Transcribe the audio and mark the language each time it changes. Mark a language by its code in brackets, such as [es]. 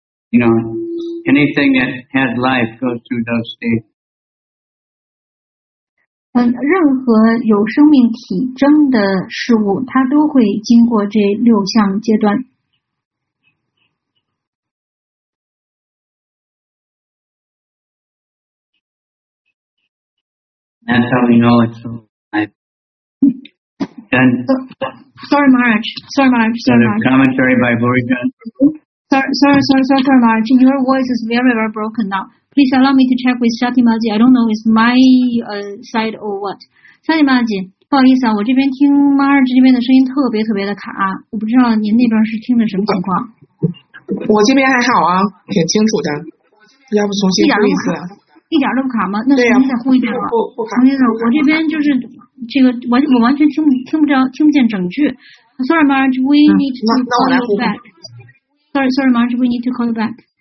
[en] You know, anything that has life goes through those stages. [zh] 任何有生命体征的事物，它都会经过这六项阶段。 [en] That's how we know it's alive. And sorry, Maharaj. Commentary by Bhurijan. Sorry, Maharaj. Your voice is very, very broken now. Please allow me to check with Shati Maji. I don't know if it's my side or what. [zh] Shati Maji, 不好意思啊，我这边听 Marj 这边的声音特别特别的卡，我不知道您那边是听的什么情况。我这边还好啊，挺清楚的。要不重新呼一次？一点都不卡吗？那重新再呼一遍吧。重新的，我这边就是这个我完全听不见整句。 [en] Sorry, Marj, we need to call you back. Sorry, Marj, we need to call you back.